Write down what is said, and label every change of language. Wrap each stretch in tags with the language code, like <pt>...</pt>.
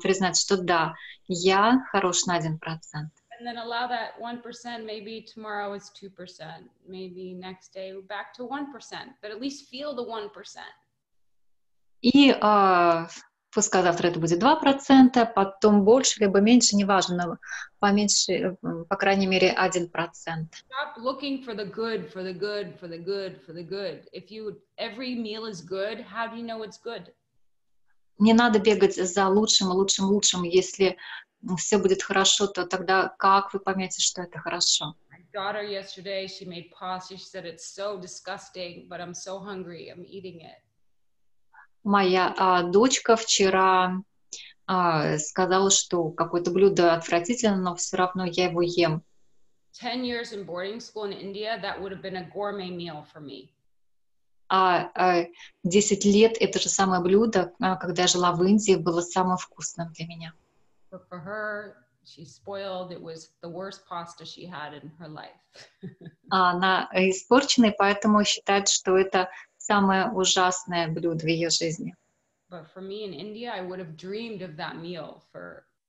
<ru>Признать, что да, я хорош на 1%.</ru> <en>And then allow that 1%, maybe tomorrow it's 2%. Maybe next day we're back to 1%. But at least feel the 1%.</en> <ru>И... Пускай завтра это будет 2%, потом больше, либо меньше, неважно, поменьше, по крайней мере, 1%.</ru> <en>Stop looking for the good, for the good, for the good, for the good. If you, every meal is good, how do you know it's good?</en> <ru>Не надо бегать за лучшим, лучшим, лучшим. Если все будет хорошо, то тогда как вы поймете, что это хорошо?</ru> <en>My daughter yesterday, she made pasta. She said, it's so disgusting, but I'm so hungry, I'm eating it.</en> <ru>Моя дочка вчера сказала, что какое-то блюдо отвратительно, но все равно я его ем.</ru> <en>10 years in boarding school in India, that would have been a gourmet meal for me.</en> <ru>10 лет это же самое блюдо, когда я жила в Индии, было самым вкусным для меня.</ru> <en>But for her, she spoiled. It was the worst pasta she had in her life.</en> <ru>Она испорченная, поэтому считает, что это самое ужасное блюдо в ее жизни.</ru> <en>But for me in India, I would have dreamed of that meal for...</en>